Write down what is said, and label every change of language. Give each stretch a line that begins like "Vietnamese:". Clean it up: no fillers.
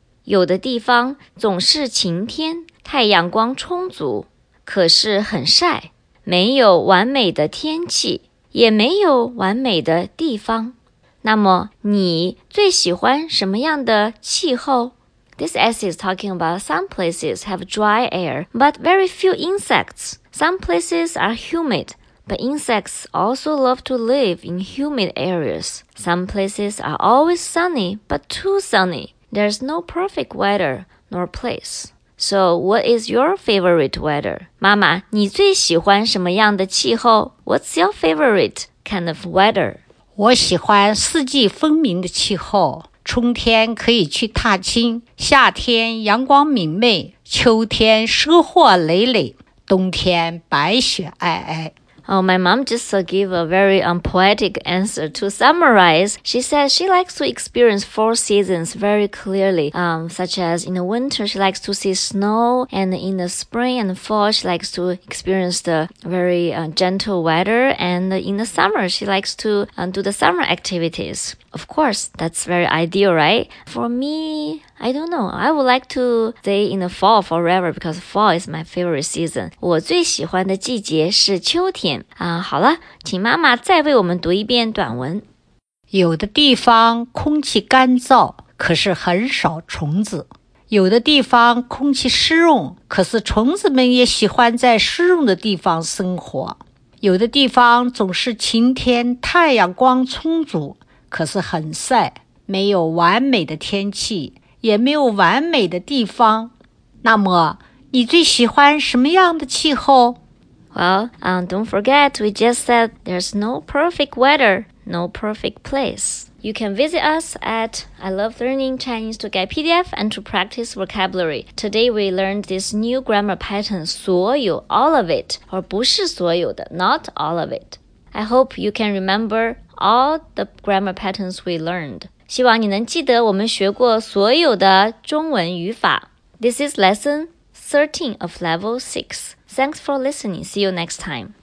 Chinese: 有的地方总是晴天，太阳光充足，可是很晒，没有完美的天气，也没有完美的地方。那么你最喜欢什么样的气候？
English: This essay is talking about some places have dry air, but very few insects. Some places are humid, but insects also love to live in humid areas. Some places are always sunny, but too sunny. There's no perfect weather nor place. So, what is your favorite weather?
Chinese: 妈妈，你最喜欢什么样的气候？
English: What's your favorite kind of weather?
Chinese: 我喜欢四季分明的气候。春天可以去踏青，夏天阳光明媚，秋天收获累累，冬天白雪皑皑。
English: Oh, my mom just gave a very unpoetic answer. To summarize, she says she likes to experience four seasons very clearly, such as in the winter, she likes to see snow, and in the spring and fall, she likes to experience the very gentle weather, and in the summer, she likes to do the summer activities. Of course, that's very ideal, right? For me, I don't know. I would like to stay in the fall forever because fall is my favorite season.
Chinese: 我最喜欢的季节是秋天。好了，请妈妈再为我们读一遍短文。有的地方空气干燥，可是很少虫子。有的地方空气湿润，可是虫子们也喜欢在湿润的地方生活。有的地方总是晴天，太阳光充足，可是很晒，没有完美的天气。也没有完美的地方。那么，你最喜欢什么样的气候？
English: Well, don't forget, we just said there's no perfect weather, no perfect place. You can visit us at I Love Learning Chinese to Get PDF and to practice vocabulary. Today, we learned this new grammar pattern, 所有 all of it, or 不是所有的 not all of it. I hope you can remember all the grammar patterns we learned.
Chinese: 希望你能记得我们学过所有的中文语法。
English: This is lesson 13 of level 6. Thanks for listening. See you next time.